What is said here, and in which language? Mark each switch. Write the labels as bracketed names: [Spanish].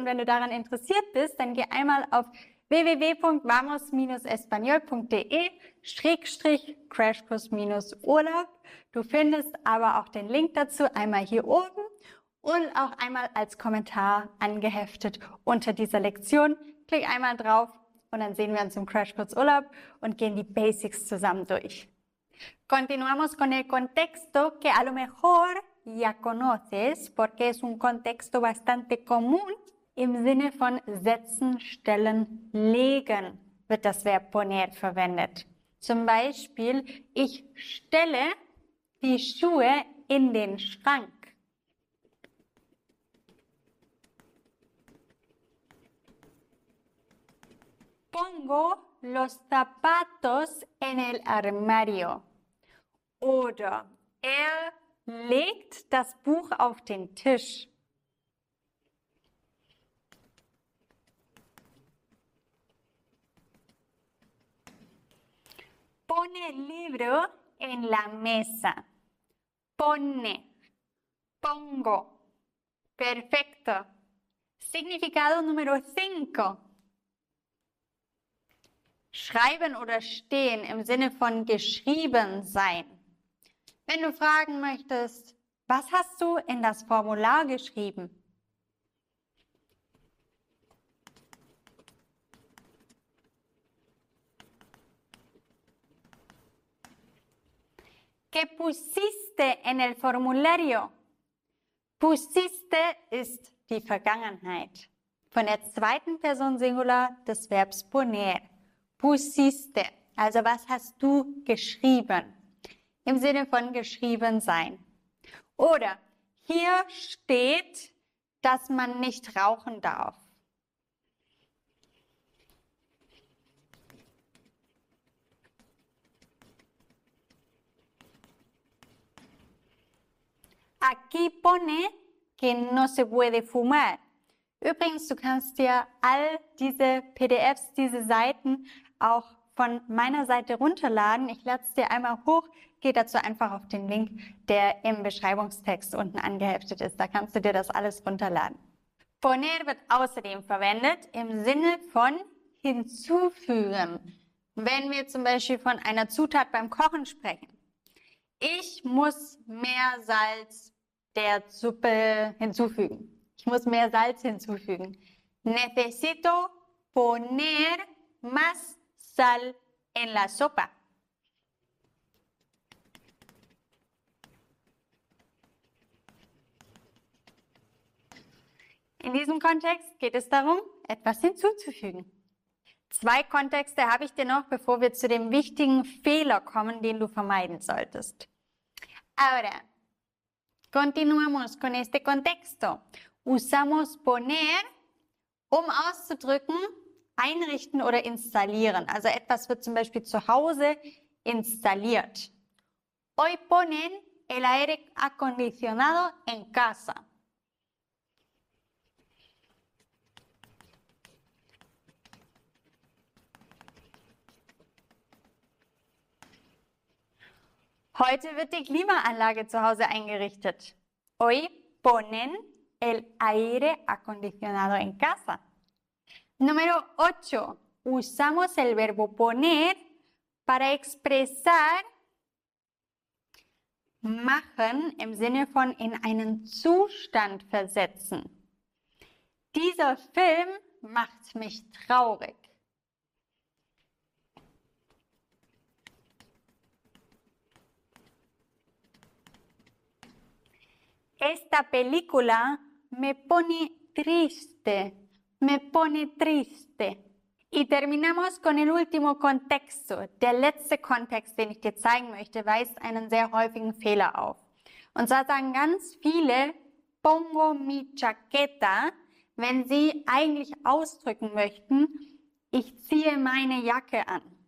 [German] Und wenn du daran interessiert bist, dann geh einmal auf www.vamos-espanol.de/crashkurs-urlaub. Du findest aber auch den Link dazu einmal hier oben und auch einmal als Kommentar angeheftet unter dieser Lektion. Klick einmal drauf und dann sehen wir uns im Crashkurs Urlaub und gehen die Basics zusammen durch. [Spanish] Continuamos con el contexto que a lo mejor ya conoces, porque es un contexto bastante común. [German] Im Sinne von setzen, stellen, legen wird das Verb poner verwendet. Zum Beispiel, ich stelle die Schuhe in den Schrank. [Spanish] Pongo los zapatos en el armario. [German] Oder er legt das Buch auf den Tisch. [Spanish] Pone el libro en la mesa. Pone. Pongo. Perfecto. Significado número 5. [German] Schreiben oder stehen im Sinne von geschrieben sein. Wenn du fragen möchtest, was hast du in das Formular geschrieben? [Spanish] ¿Qué pusiste en el formulario? [German] Pusiste ist die Vergangenheit von der zweiten Person Singular des Verbs poner. Pusiste, also was hast du geschrieben? Im Sinne von geschrieben sein. Oder hier steht, dass man nicht rauchen darf. [Spanish] Aquí pone que no se puede fumar. [German] Übrigens, du kannst dir all diese PDFs, diese Seiten auch von meiner Seite runterladen. Ich lade es dir einmal hoch. Geh dazu einfach auf den Link, der im Beschreibungstext unten angeheftet ist. Da kannst du dir das alles runterladen. Poner wird außerdem verwendet im Sinne von hinzufügen. Wenn wir zum Beispiel von einer Zutat beim Kochen sprechen. Ich muss mehr Salz der Suppe hinzufügen. Ich muss mehr Salz hinzufügen. [Spanish] Necesito poner más sal en la sopa. [German] In diesem Kontext geht es darum, etwas hinzuzufügen. Zwei Kontexte habe ich dir noch, bevor wir zu dem wichtigen Fehler kommen, den du vermeiden solltest. [Spanish] Ahora, continuamos con este contexto. Usamos [German] poner, um auszudrücken, einrichten oder installieren. Also etwas wird zum Beispiel zu Hause installiert. [Spanish] Hoy ponen el aire acondicionado en casa. [German] Heute wird die Klimaanlage zu Hause eingerichtet. [Spanish] Hoy ponen el aire acondicionado en casa. Número 8. Usamos el verbo poner para expresar [German] machen im Sinne von in einen Zustand versetzen. Dieser Film macht mich traurig. [Spanish] Esta película me pone triste, me pone triste. Y terminamos con el último contexto. [German] Der letzte Kontext, den ich dir zeigen möchte, weist einen sehr häufigen Fehler auf. Und zwar sagen ganz viele, [Spanish] pongo mi chaqueta, [German] wenn sie eigentlich ausdrücken möchten, ich ziehe meine Jacke an.